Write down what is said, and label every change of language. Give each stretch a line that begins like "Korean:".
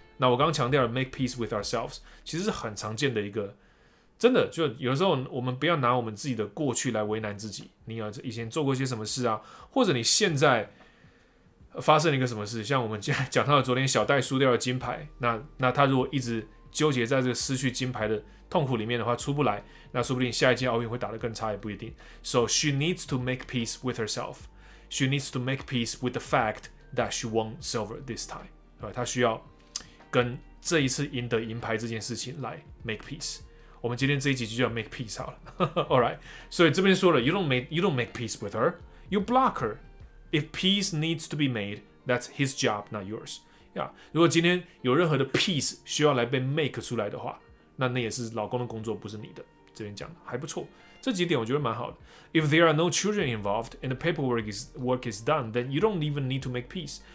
Chinese: 那我刚刚强调的
English: make peace with ourselves，
Chinese: 其实是很常见的一个，真的就有时候我们不要拿我们自己的过去来为难自己，你以前做过些什么事啊，或者你现在发生了一个什么事，像我们讲到昨天小戴输掉的金牌，那他如果一直纠结在这个失去金牌的痛苦里面的话出不来，那说不定下一届奥运会打得更差也不一定。
English: So she needs to make peace with herself. She needs to make peace with the fact that she won silver this time.
Chinese: 她需要跟这一次赢得银牌这件事情来
English: make peace。
Chinese: 我们今天这一集就叫
English: make peace
Chinese: 好了。
English: Alright，
Chinese: 所以这边说了
English: you don't make peace with her. You block her. If peace needs to be made, that's his job, not yours.
Chinese: Yeah， 如果今天有任何的 peace 需要来被 make 出来的话，那也是老公的工作，不是你的。这边讲的还不错，这几点我觉得蛮好的。
English: If there are no children involved and the paperwork is done, then you don't even need to make peace.